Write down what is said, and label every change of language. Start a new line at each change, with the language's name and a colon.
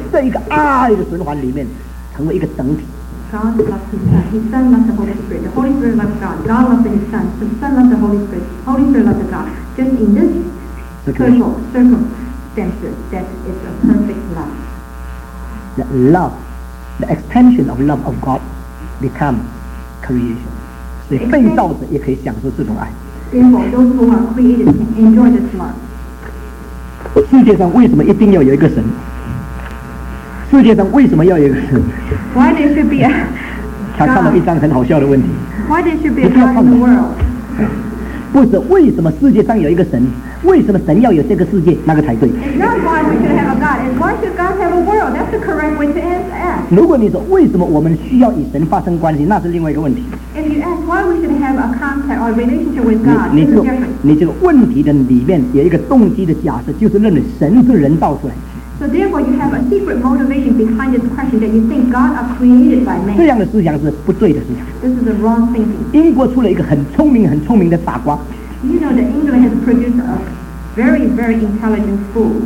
Chinese: 圣父爱圣子，圣子爱圣灵，圣灵爱圣父，圣子爱圣灵，圣灵爱圣子，圣灵爱圣父，就在这一个爱的循环里面，成为一个整体。
English: God loves His Son, His Son loves the Holy Spirit, the Holy Spirit loves God, God loves His Son, the Son loves the Holy Spirit, the Holy Spirit loves God. Just in this circumstances, that is a perfect love. The love, the extension of love of God, becomes creation.
Chinese: 所以被造者也可以享受这种爱。
English: Therefore, those who are created can enjoy this love.
Chinese: 世界上为什么一定要有一个神？世界上为什么要有一个神？
English: Why there should be a God?
Chinese: 他看到一张很好笑的问题。
English: Why there should be a God in the world?
Chinese: 不是为什么世界上有一个神， 为什么神要有这个世界，那个才对。
English: It's not why we should have a God, it's why should God have a world? That's the correct way to ask.
Chinese: 如果你说为什么我们需要与神发生关系， 那是另外一个问题。
English: If you ask why we should have a contact or relationship with God,
Chinese: 你这个, 你这个问题的里面有一个动机的假设， 就是认为神是人造出来。
English: So therefore, you have a secret motivation behind this question that you think God are created by man. This is the wrong thinking. You know that England has produced a very, very intelligent fool.